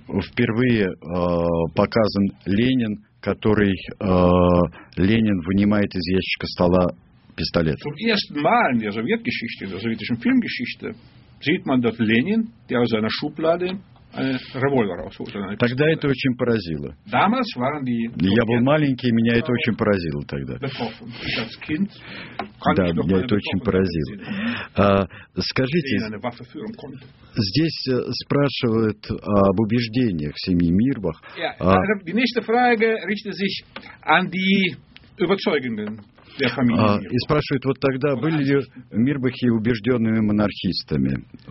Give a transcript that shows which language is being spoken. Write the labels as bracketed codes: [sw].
[ru] Впервые показан Ленин, который Ленин вынимает из ящика стола пистолет. [de] Zum ersten Mal in der Sowjetgeschichte, in der sowjetischen Filmgeschichte, sieht man, dass Lenin, der aus seiner Schublade einen Revolver rausholt. [ru] Тогда это очень поразило. [de] Damals waren die Sowjet... [ru] Я был маленький, меня это очень поразило тогда. [de] Als Kind, [ru] да, меня это очень поразило. Скажите, здесь спрашивают об убеждениях в семье Мирбах. [de] Die nächste Frage richtet sich an die Überzeugenden. [ru] И спрашивают, вот тогда были ли Мирбахи убежденными монархистами?